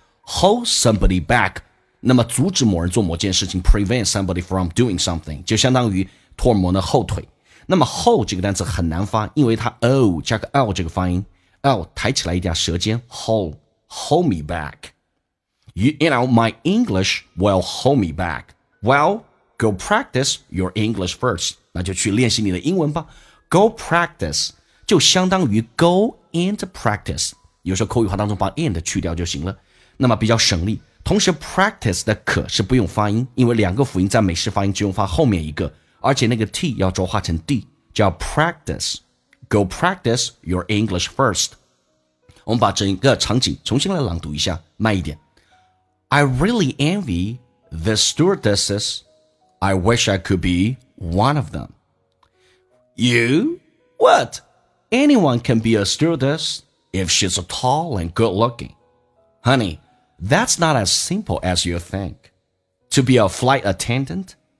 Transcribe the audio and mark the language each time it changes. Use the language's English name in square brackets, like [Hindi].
[English] Hold somebody back, [Chinese] 那么阻止某人做某件事情 [English] prevent somebody from doing something, [Chinese] 就相当于拖某人的后腿。那么 hold 这个单词很难发，因为它 o 加个 l 这个发音， l 抬起来一点舌尖， [English] hold me back. You know, my English will hold me back. Well, go practice your English first. [Chinese] 那就去练习你的英文吧。 [English] Go practice, [Chinese] 就相当于 [English] go and practice. [Chinese] 有时候口语化当中把 and 去掉就行了。那么比较省力，同时 practice 的可是不用发音，因为两个辅音在美式发音只用发后面一个，而且那个 t 要浊化成 d, 叫 practice, [English] go practice your English first. [Chinese] 我们把整个场景重新来朗读一下，慢一点。 [English] I really envy the stewardesses, I wish I could be one of them. You? What? Anyone can be a stewardess if she's tall and good looking. Honey,That's not as simple as you think. To be a flight attendant?